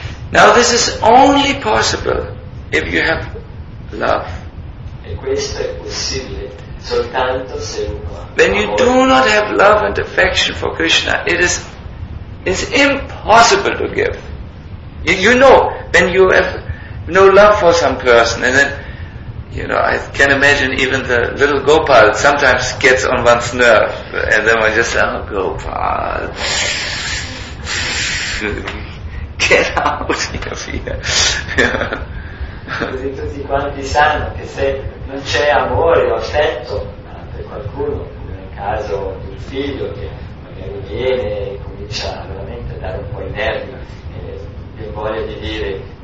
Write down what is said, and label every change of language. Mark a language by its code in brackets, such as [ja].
[en] Now this is only possible if you have love. [it] E questo è possibile soltanto se uno ha. [en] When you do not have love and affection for Krishna, it's impossible to give. You know, when you have no love for some person, and then, you know, I can imagine even the little Gopal sometimes gets on one's nerve, and then one just says, oh, Gopal, get out of here. [it] Così tutti quanti sanno che se non c'è amore o affetto per qualcuno, come nel caso di un figlio che magari viene e comincia veramente a dare un po' i nervi, e voglia di dire